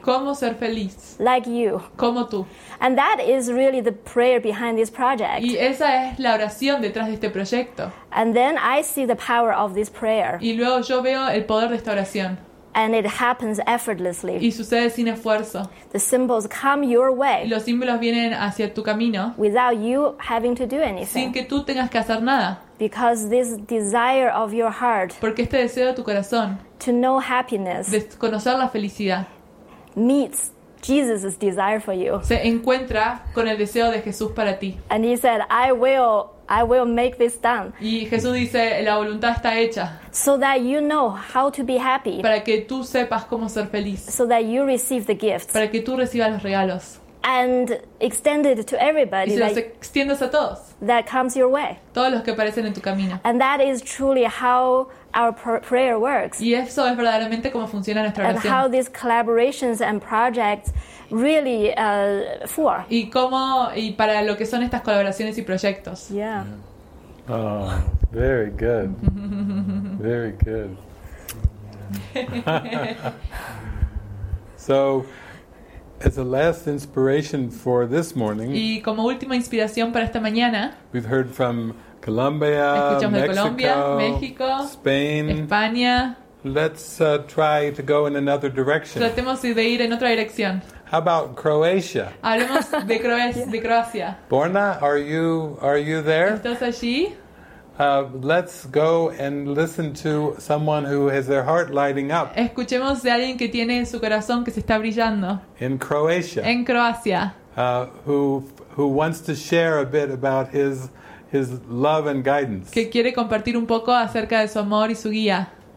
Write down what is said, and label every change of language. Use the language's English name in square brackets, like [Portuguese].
[Spanish] Cómo ser feliz. [English] Like you. [Spanish] Como tú. [English] And that is really the prayer behind this project. [Spanish] Y esa es la oración detrás de este proyecto. [English] And then I see the power of this prayer. [Spanish] Y luego yo veo el poder de esta oración. [English] And it happens effortlessly. [Spanish] Y sucede sin esfuerzo. [English] The symbols come your way. [Spanish] Los símbolos vienen hacia tu camino. [English] Without you having to do anything. [Spanish] Sin que tú tengas que hacer nada. [English] Because this desire of your heart. [Spanish] Porque este deseo de tu corazón. [English] To know happiness. [Spanish] De conocer la felicidad. [English] Meets Jesus's desire for you. [Spanish] Se encuentra con el deseo de Jesús para ti. [English] And he said, I will make this done. [Spanish] Y Jesús dice, la voluntad está hecha. [English] So that you know how to be happy. [Spanish] Para que tú sepas cómo ser feliz. [English] So that you receive the gifts. [Spanish] Para que tú recibas los regalos. [English] And extend it to everybody. [Spanish] Y se los extiendes a todos. [English] That comes your way. [Spanish] Todos los que aparecen en tu camino. [English] And that is truly how our prayer works. [Spanish] Y eso es verdaderamente cómo funciona nuestra oración. [English] And how these collaborations and projects really for. [Spanish] Y cómo y para lo que son estas colaboraciones y proyectos. [English] Yeah. Oh, very good. Very good. So, as a last inspiration for this morning. [Spanish] Y como última inspiración para esta mañana. [English] We've heard from Colombia, Mexico, Spain, [Spanish] España. [English] Let's try to go in another direction. [Spanish] Tratemos de ir en otra dirección. [English] How about Croatia? [Spanish] Hablemos de Croacia. [English] Borna, are you there? [Spanish] ¿Estás allí? [English] Let's go and listen to someone who has their heart lighting up. [Spanish] Escuchemos de alguien que tiene su corazón que se está brillando. [English] In Croatia. [Spanish] En Croacia. [English] Who wants to share a bit about his love and guidance. [Spanish] Que quiere compartir un poco acerca de su amor y su guía.